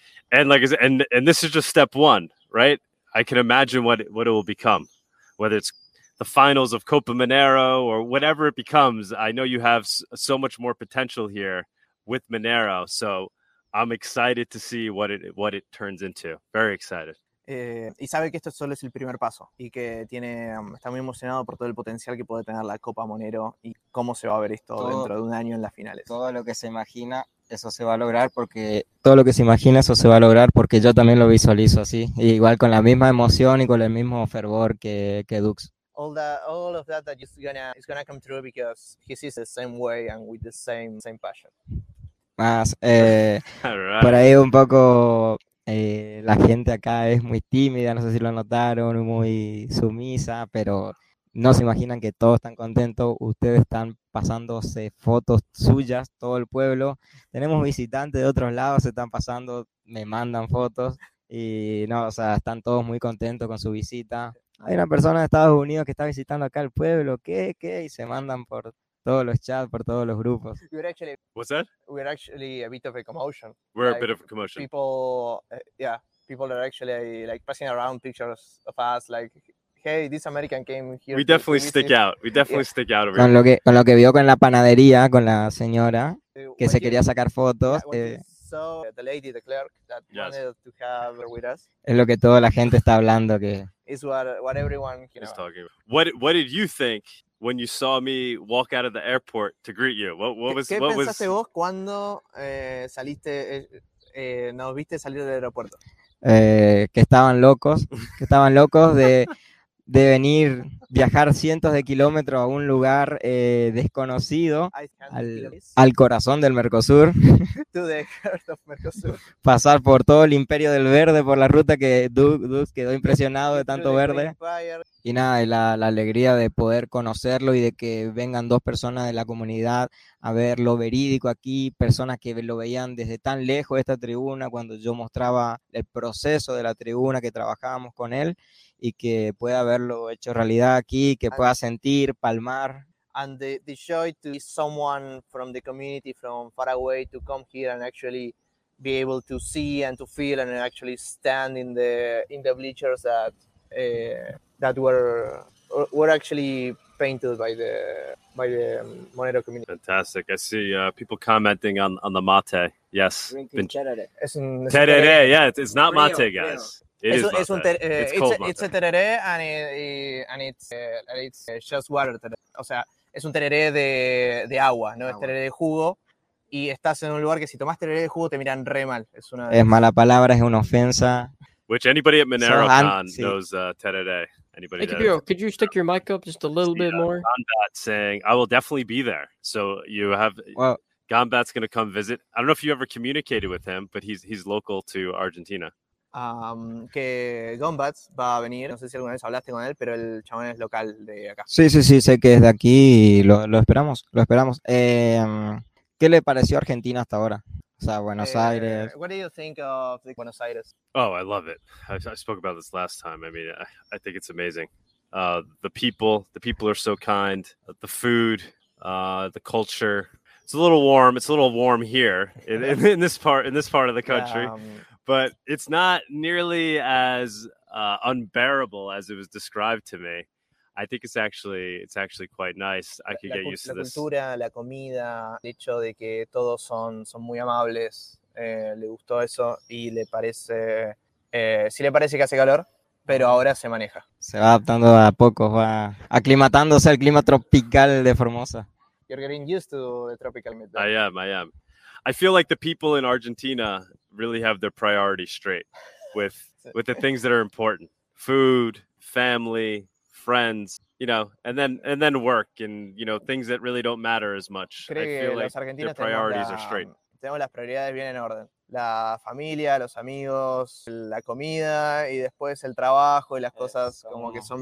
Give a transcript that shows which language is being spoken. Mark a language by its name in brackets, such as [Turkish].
[English] And like I said, and this is just step one, right? I can imagine what it will become, whether it's the finals of Copa Monero or whatever it becomes. I know you have so much more potential here with Monero, so I'm excited to see what it turns into. Very excited. [Spanish] Y sabe que esto solo es el primer paso y que tiene está muy emocionado por todo el potencial que puede tener la Copa Monero y cómo se va a ver esto todo, dentro de un año en las finales. Todo lo que se imagina, eso se va a lograr porque todo lo que se imagina, eso se va a lograr porque yo también lo visualizo así, igual con la misma emoción y con el mismo fervor que Dux. [English] All of that is gonna come true because he sees the same way and with the same passion. Más right. [Spanish] Por ahí un poco la gente acá es muy tímida, no sé si lo notaron, muy sumisa, pero no se imaginan que todos están contentos. Ustedes están pasándose fotos suyas, todo el pueblo. Tenemos visitantes de otros lados, se están pasando, me mandan fotos. Y no, o sea, están todos muy contentos con su visita. Hay una persona de Estados Unidos que está visitando acá el pueblo, ¿qué? Y se mandan por todos los chats, por todos los grupos. [English] What's that? We're actually a bit of a commotion. We're like, a bit of a commotion. People are actually like passing around pictures of us, like, hey, this American came here. We definitely stick out. We definitely stick out over here. [Spanish] Con lo que vio con la panadería, con la señora, que se quería sacar fotos. [English] So the lady, the clerk, that wanted to have her with us. [Spanish] Es lo que toda la gente está hablando. Que [English] is what everyone, you know. Is talking about. What did you think when you saw me walk out of the airport to greet you? What was? [Spanish] ¿Qué pensaste vos cuando saliste, nos viste salir del aeropuerto? Que estaban locos de venir, viajar cientos de kilómetros a un lugar desconocido, al corazón del Mercosur. [English] To the heart of Mercosur. [Spanish] Pasar por todo el imperio del verde, por la ruta que Duke quedó impresionado de tanto verde. Y nada, y la alegría de poder conocerlo y de que vengan dos personas de la comunidad a ver lo verídico aquí, personas que lo veían desde tan lejos de esta tribuna, cuando yo mostraba el proceso de la tribuna que trabajábamos con él, y que pueda haberlo hecho realidad aquí, que pueda sentir, palmar. [English] And the joy to be someone from the community from far away to come here and actually be able to see and to feel and actually stand in the bleachers that were actually painted by the Monero community. Fantastic. I see people commenting on the mate. Yes. Drinking tereré. Tereré, yeah. It's not mate, guys. It's cold. It's a tereré and it's just water. [Spanish] O sea, es un tereré de agua, no es tereré de jugo. Y estás en un lugar que si tomas tereré de jugo te miran re mal. Es mala palabra, es una ofensa. Which anybody at Monero so, Con see. Knows Tere. Anybody [English] hey, Kibiro, could you stick your mic up just a little bit more? Gambat saying, I will definitely be there. So you have Gambat's going to come visit. I don't know if you ever communicated with him, but he's local to Argentina. [Spanish] Que Gambat va a venir. No sé si alguna vez hablaste con él, pero el chabón es local de acá. Sí, sí, sí, sé que es de aquí y lo esperamos. ¿Qué le pareció Argentina hasta ahora? O sea, Buenos Aires. [English] What do you think of the Buenos Aires? Oh, I love it. I spoke about this last time. I mean, I think it's amazing. The people are so kind. The food, the culture. It's a little warm. It's a little warm here in this part of the country. But it's not nearly as unbearable as it was described to me. I think it's actually quite nice. I could get used to this. [Spanish] La cultura, la comida, el hecho de que todos son muy amables. Le gustó eso y le parece. Sí le parece que hace calor, pero ahora se maneja. Se va adaptando a poco, va aclimatándose al clima tropical de Formosa. [English] You're getting used to the tropical climate. I am. I feel like the people in Argentina really have their priorities straight with the things that are important: food, family, friends, you know, and then work and, you know, things that really don't matter as much. Their priorities are straight. [Spanish] Tenemos las prioridades bien en orden. La familia, los amigos, la comida y después el trabajo y las cosas como que son